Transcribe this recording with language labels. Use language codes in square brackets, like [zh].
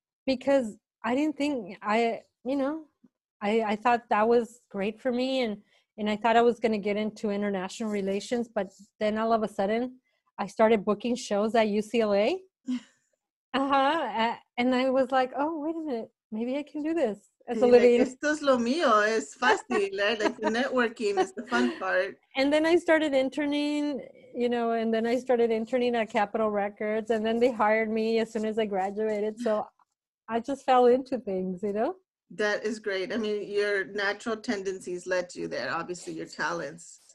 [en] Because I didn't think, I thought that was great for me. And I thought I was going to get into international relations. But then all of a sudden, I started booking shows at UCLA. Uh-huh. And I was like, oh, wait a minute. Maybe I can do this. [es] Esto es lo mío, es fácil, right? [en] Like the networking is the fun part. And then I started interning, you know, and then I started interning at Capitol Records, and then they hired me as soon as I graduated. So I just fell into things, you know? That is great. I mean, your natural tendencies led you there, obviously your talents.